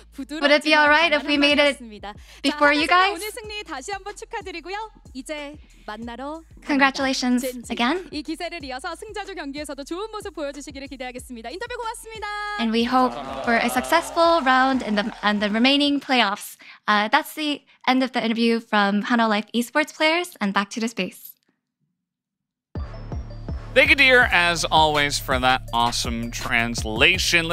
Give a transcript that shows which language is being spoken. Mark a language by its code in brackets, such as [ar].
[en] Would it be alright if we made it before you guys? [ko] 오늘 승리 다시 한번 축하드리고요. 이제 만나러 [en] Congratulations again. [ko] 이 기세를 이어서 승자조 경기에서도 좋은 모습 보여주시기를 기대하겠습니다. 인터뷰 고맙습니다. [en] And we hope for a successful round in the and the remaining playoffs. That's the end of the interview from Hano Life Esports players and back to the space. Thank you, dear, as always, for that awesome translation.